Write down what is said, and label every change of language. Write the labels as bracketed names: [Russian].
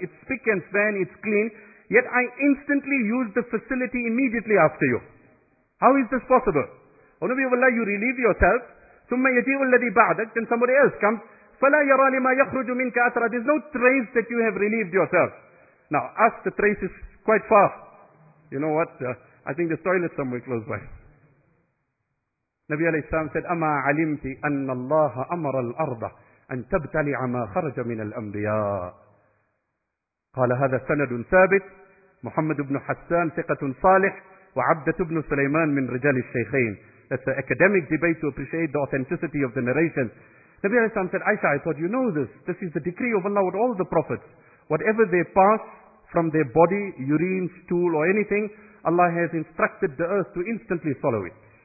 [English] It's spick and span, it's clean, yet I instantly use the facility immediately after you. How is this possible? O Nabi of Allah, you relieve yourself, [Arabic] ثُمَّ يَجِيءُ الَّذِي بَعْدَكَ, [English] then somebody else comes, [Arabic] فَلَا يَرَى لِمَا يَخْرُجُ مِنْكَ أَثْرًا. [English] There's no trace that you have relieved yourself. Now, us, the trace is quite far. You know what? I think there's toilet somewhere close by. Nabi alayhi salam said, [Arabic] أَمَا عَلِمْتِ أَنَّ اللَّهَ أَمَرَ الْأَرْضَ أَن تَبْتَلِعَ مَا خَرَجَ مِنَ الْأَنْبِيَاءِ. قَالَ هَذَا سَنَدٌ ثَابِتٌ, محمد بن حسان ثقة صالح, وعبدة بن سليمان من رجال الشيخين. [English] That's an academic debate to appreciate the authenticity of the narration. Nabi alayhi salam said, Aisha, I thought you know this. This is the decree of Allah with all the prophets. Whatever they pass from their body, urine, stool or anything, Allah has instructed the earth to instantly follow it.